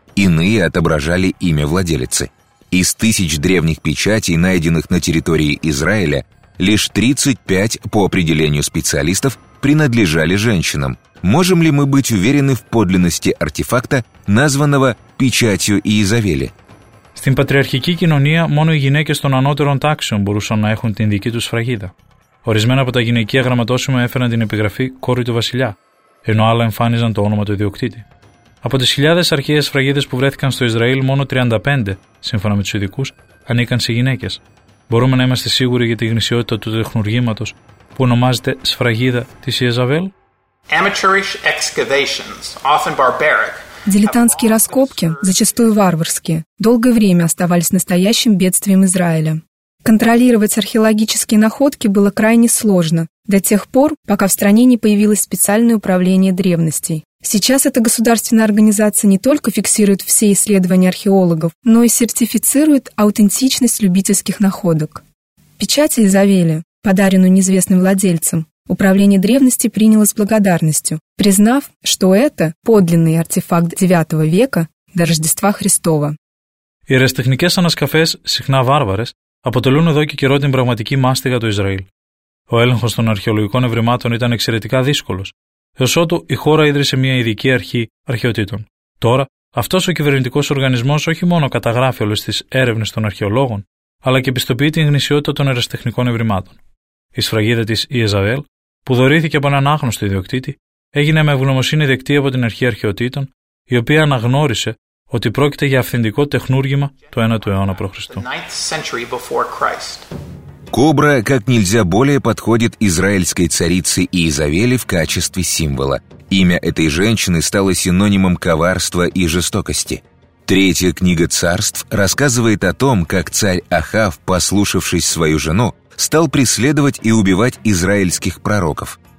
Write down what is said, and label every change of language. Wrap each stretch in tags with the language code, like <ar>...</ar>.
<ru>Иные отображали имя владелицы. Из 1000 древних печатей, найденных на территории Израиля, лишь 35, по определению специалистов, принадлежали женщинам. Можем ли мы быть уверены в подлинности артефакта, названного «Печатью Иезавели»?</ru> <el>Στην πατριαρχική κοινωνία, μόνο οι γυναίκες των ανώτερων τάξεων μπορούσαν να έχουν την δική τους σφραγίδα. Ορισμένα από τα γυναικεία γραμματόσημα έφεραν την επιγραφή «Κόρη του βασιλιά», ενώ άλλα εμφάνιζαν το όνομα του ιδιοκτήτη. Από τις 1000 αρχαίες σφραγίδες που βρέθηκαν στο Ισραήλ, μόνο 35, σύμφωνα με τους ειδικούς, ανήκαν σε γυναίκες. Μπορούμε να είμαστε σίγουροι για τη γνησιότητα του τεχνουργήματος που ονομάζεται σφραγίδα της Ιεζαβέλ?</el> <en>Amateurish excavations, often barbaric.</en> <ru>Дилетантские раскопки, зачастую варварские, долгое время оставались настоящим бедствием Израиля. Контролировать археологические находки было крайне сложно, до тех пор, пока в стране не появилось специальное управление древностей. Сейчас эта государственная организация не только фиксирует все исследования археологов, но и сертифицирует аутентичность любительских находок. Печать Изавели, подаренную неизвестным владельцам, Управление древности приняло с благодарностью, признав, что это подлинный артефакт IX века до Рождества Христова.</ru> <el>Οι ερασιτεχνικές ανασκαφές, συχνά βάρβαρες, αποτελούν εδώ και καιρό την πραγματική μάστιγα του Ισραήλ. Ο έλεγχος των αρχαιολογικών ευρημάτων ήταν εξαιρετικά δύσκολος, εσώτου η χώρα ίδρυσε μια ειδική αρχή αρχαιοτήτων. Τώρα, αυτός ο κυβερνητικός οργανισμός όχι μόνο καταγράφει όλες τις έρευνες των αρχαιολόγων, αλλά και πιστοποιεί την γνησιότητα των ερασιτεχνικών ευρημάτων. Η σφραγίδα της Ιεζαβέλ, που δωρήθηκε από έναν άγνωστο ιδιοκτήτη, έγινε με ευγνωμοσύνη δεκτή από την Αρχή Αρχαιοτήτων, η οποία αναγνώρισε ότι πρόκειται για αυθεντικό τεχνούργημα του 9ου αιώνα π.Χ.</el> <ru>Кобра как нельзя более подходит израильской царице Иезавели в качестве символа. Имя этой женщины стало синонимом коварства и жестокости. Третья книга царств рассказывает о том, как царь Ахав, послушавшись свою жену, стал преследовать и убивать израильских пророков.</ru>